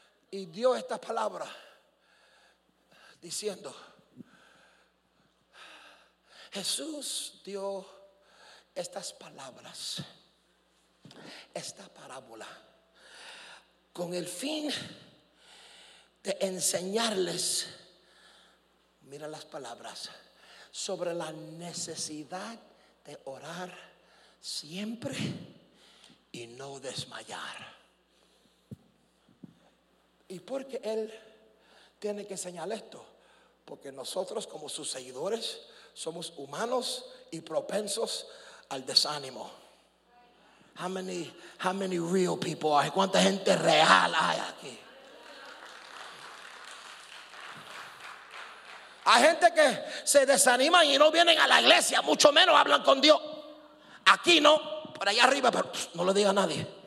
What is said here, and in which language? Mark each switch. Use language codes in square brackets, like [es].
[es] Y dio esta palabra diciendo, Jesús dio estas palabras, esta parábola, con el fin de enseñarles, mira las palabras, sobre la necesidad de orar siempre y no desmayar. ¿Y por qué él tiene que enseñar esto? Porque nosotros como sus seguidores somos humanos y propensos al desánimo. [en] How many real people are? [es] ¿Cuánta gente real hay aquí? Hay gente que se desaniman y no vienen a la iglesia, mucho menos hablan con Dios. Aquí no, por allá arriba, pero no lo diga a nadie.